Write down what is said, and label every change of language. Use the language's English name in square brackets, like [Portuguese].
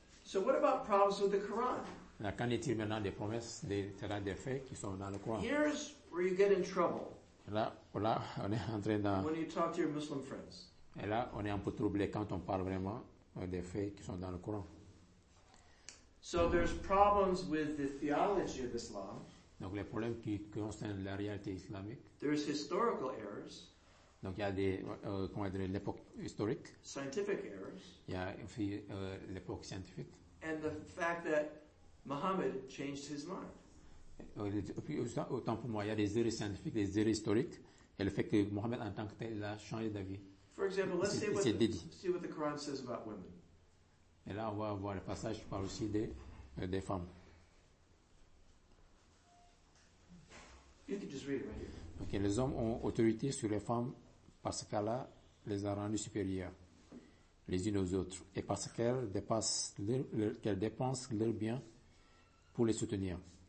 [English] So what about problems with the Quran? [French] Qu'en est-il maintenant des promesses, des faits qui sont dans le Coran? [English] Here's where you get in trouble. [French] Là, on est entré dans. [English] When you talk to your Muslim friends. [French] Et là, on est un peu troublé quand on parle vraiment des faits qui sont dans le Coran. [English] So there's problems with the theology of Islam. [French] Donc les problèmes qui concernent la réalité islamique. [English] There's historical errors. [French] Donc il y a des comment dire l'époque historique. [English] Scientific errors. [French] Il y a aussi l'époque scientifique. [English] And the fact that Muhammad changed his mind. [French] Autant pour moi, il y a des erreurs scientifiques, des erreurs historiques, et le fait que Mohammed en tant que tel a changé d'avis. [English] For example, let's see what the Quran says about women. [French] Et là, on va voir le passage qui parle aussi des femmes. [English] You can just read it right here. [French] Ok, les hommes ont autorité sur les femmes parce qu'Allah les a rendues supérieures les unes aux autres, et parce qu'elles dépensent leurs biens pour les soutenir.